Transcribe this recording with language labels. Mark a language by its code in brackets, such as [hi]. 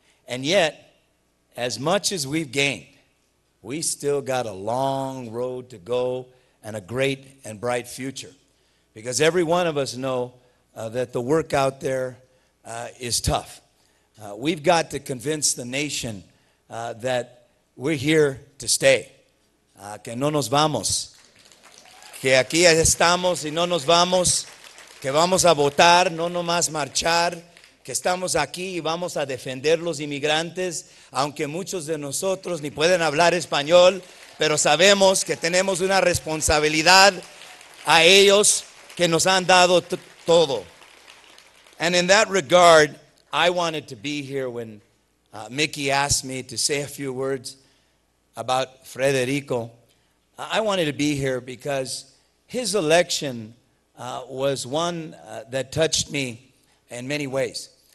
[en] And yet, as much as we've gained, we still got a long road to go and a great and bright future. Because every one of us know that the work out there is tough. We've got to convince the nation that we're here to stay. [es] Que no nos vamos. Que aquí estamos y no nos vamos. Que vamos a votar, no nomás marchar. que estamos aquí y vamos a defender los inmigrantes, aunque muchos de nosotros ni pueden hablar español, pero sabemos que tenemos una responsabilidad a ellos que nos han dado todo. [en] And in that regard, I wanted to be here when Mickey asked me to say a few words about Federico. I wanted to be here because his election was one that touched me in many ways.